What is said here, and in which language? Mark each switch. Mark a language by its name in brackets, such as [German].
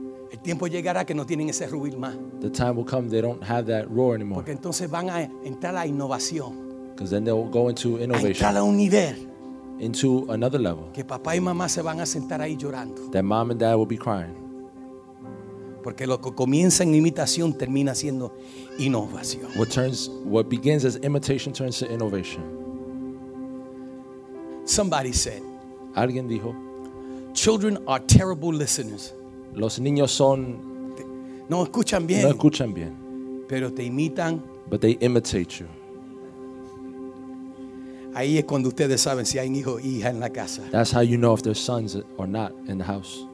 [Spanish] El tiempo llegará que no tienen ese ruil más. [English] The time will come they don't have that roar anymore. [Spanish] Porque entonces van a entrar a innovación. [English] Because then they'll go into innovation. [Spanish] A entrar a un nivel. [English] Into another level. [Spanish] Que papá y mamá se van a sentar ahí llorando. [English] That mom and dad will be crying. [Spanish] Porque lo que comienza en imitación termina siendo innovación. [English] What begins as imitation turns to innovation. Somebody said. [Spanish] Alguien dijo. [English] Children are terrible listeners. [Spanish] Los niños son. No escuchan bien. No escuchan bien. Pero te imitan. [English] But they imitate you. [Spanish] Ahí es cuando ustedes saben si hay hijo o hija en la casa. [English] That's how you know if there's sons or not in the house.